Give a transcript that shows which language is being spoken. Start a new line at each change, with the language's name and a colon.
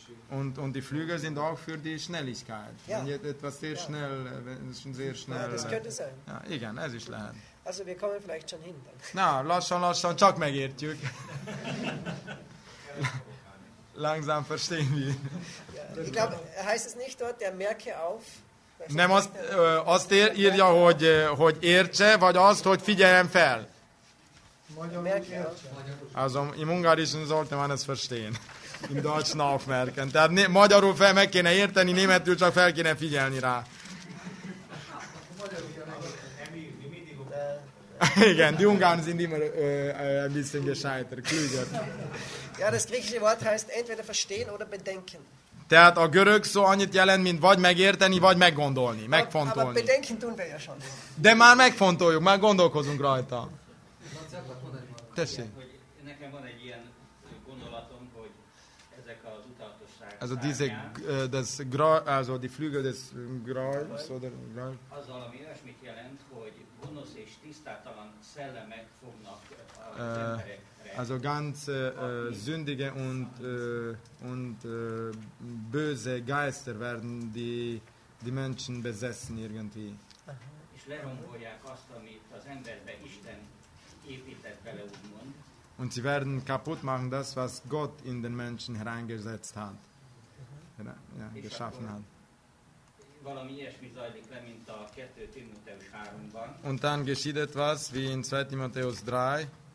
German: Und die Flügel sind auch für die Schnelligkeit. Yeah. Etwas sehr schnell, sehr schnell. Das könnte sein.
Hungarian: Ja, igen, ez is lehet.
German: Also wir kommen vielleicht schon hin.
Hungarian: Na, lassen csak megértjük.
German: Langsam verstehen wir. Ja, ich glaube, heißt es nicht dort, der merke auf?
Hungarian: Nem azt írja, hogy értse, vagy azt, hogy figyeljen fel.
German: Also im Ungarischen sollte man es verstehen. Im Deutschen aufmerken.
Hungarian: Tehát magyarul fel meg kéne érteni, németül csak fel kéne figyelni rá.
German: Igen, die Ungarn sind immer ein bisschen gescheiter, klüger. Ja, das griechische Wort heißt entweder verstehen oder bedenken.
Hungarian: Tehát a görög szó annyit jelent, mint vagy megérteni, vagy meggondolni, megfontolni.
German: Aber bedenken tun wir ja schon.
Hungarian: De már megfontoljuk, már gondolkozunk rajta. Tessék. Nekem van egy ilyen gondolatom, hogy ezek az utálatosság szárnyán...
German: Also diese also die Flügel des Grals oder Grals.
Hungarian: Az valami olyasmit jelent, hogy gonosz és tisztátalan szellemek fognak az emberek.
German: Also ganz sündige und böse Geister werden die Menschen besessen irgendwie. Aha.
Hungarian: És lerombolják azt, amit az emberbe Isten épített bele, úgymond.
German: Und sie werden kaputt machen das, was Gott in den Menschen hereingesetzt hat, geschaffen hat.
Hungarian: Valami ilyesmi zajlik le, mint a 2. Timóteus 3-ban.
German: Und dann geschieht etwas wie in 2. Timotheus 3.